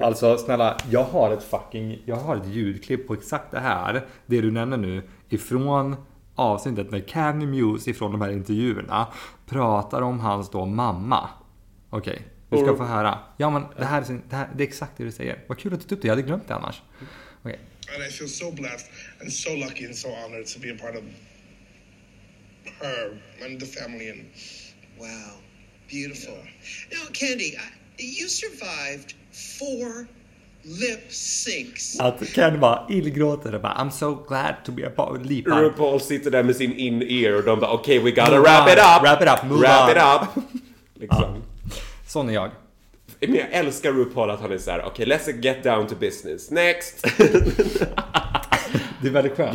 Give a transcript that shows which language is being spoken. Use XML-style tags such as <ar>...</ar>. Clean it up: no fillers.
<sv>Alltså snälla, jag har ett ljudklipp på exakt det här. Det du nämner nu ifrån avsnittet med Cammy Muse ifrån de här intervjuerna pratar om hans då mamma. Okej, okay, vi ska få höra. Ja, men det här är exakt det du säger. Vad kul att du tog upp det, jag hade glömt det annars.</sv> <en>Okay. And I feel so blessed and so lucky and so honored to be a part of her and the family. And... Wow, beautiful. Yeah. Now, Candy, you survived 4 lip syncs.</en> <sv>Att Ken bara illgråter och bara,</sv> <en>I'm so glad to be a part of Lipa.</en> <sv>RuPaul sitter där med sin in-ear och de bara,</sv> <en>okay, we gotta wrap it up.</en> <sv>Liksom. Sån är jag. Men jag älskar RuPaul att han är så här,</sv> <en>okay, let's get down to business. Next.</en> <sv>Det är väldigt skönt.</sv>